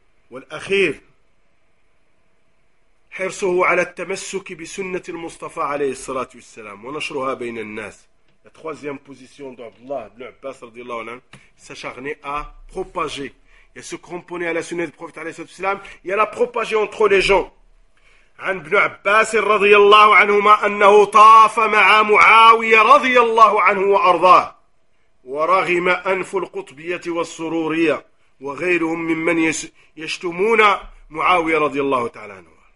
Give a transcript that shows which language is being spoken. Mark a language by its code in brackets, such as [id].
[ar] والأخير حرصه على التمسك بسنة المصطفى عليه الصلاة والسلام ونشرها بين الناس [fr] La troisième position d'Abdullah ibn Abbas [ar] radiallahu anhu, [fr] s'acharnait à propager et se cramponner à la sunna du prophète [ar] alayhi salatu wasalam [fr] et à la propager entre les gens. [ar] عن ابن عباس رضي الله عنهما أنه طاف مع معاوية رضي الله عنه وأرضاه ورغم أنف القطبية والسرورية وغيرهم ممن يشتمون معاوية رضي الله تعالى عنه